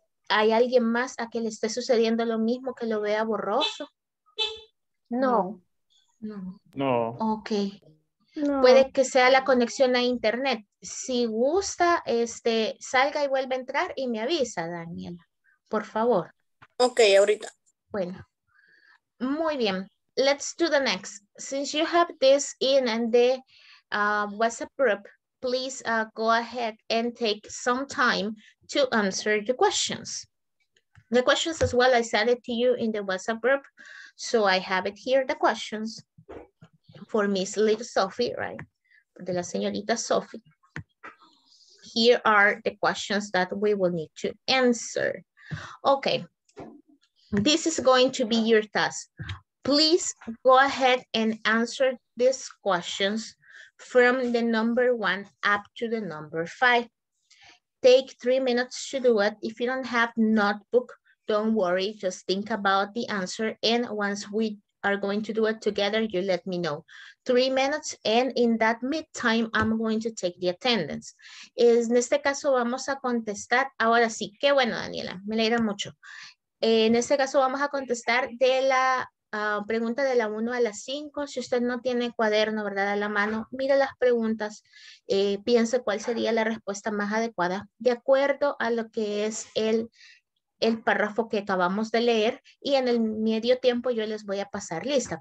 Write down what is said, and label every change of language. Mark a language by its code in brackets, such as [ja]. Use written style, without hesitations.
[es] ¿Hay alguien más a quien le esté sucediendo lo mismo, que lo vea borroso? No. Ok. No. Puede que sea la conexión a internet. Si gusta, salga y vuelve a entrar y me avisa, Daniela, por favor. Ok, ahorita. Bueno, muy bien. [en] Let's do the next. Since you have this in the WhatsApp group, please go ahead and take some time to answer the questions. The questions as well, I sent it to you in the WhatsApp group. So I have it here, the questions. For Miss Little Sophie, right? [es] De la señorita Sophie. [en] Here are the questions that we will need to answer. Okay. This is going to be your task. Please go ahead and answer these questions from the number one up to the number five. Take 3 minutes to do it. If you don't have notebook, don't worry. Just think about the answer. And once we are going to do it together, you let me know. 3 minutes, and in that mid-time, I'm going to take the attendance. [es] En este caso, vamos a contestar, ahora sí, qué bueno, Daniela, me alegra mucho. En este caso, vamos a contestar de la pregunta de la 1 a la 5. Si usted no tiene cuaderno, ¿verdad?, a la mano, mire las preguntas, piense cuál sería la respuesta más adecuada, de acuerdo a lo que es el párrafo que acabamos de leer, y en el medio tiempo yo les voy a pasar lista.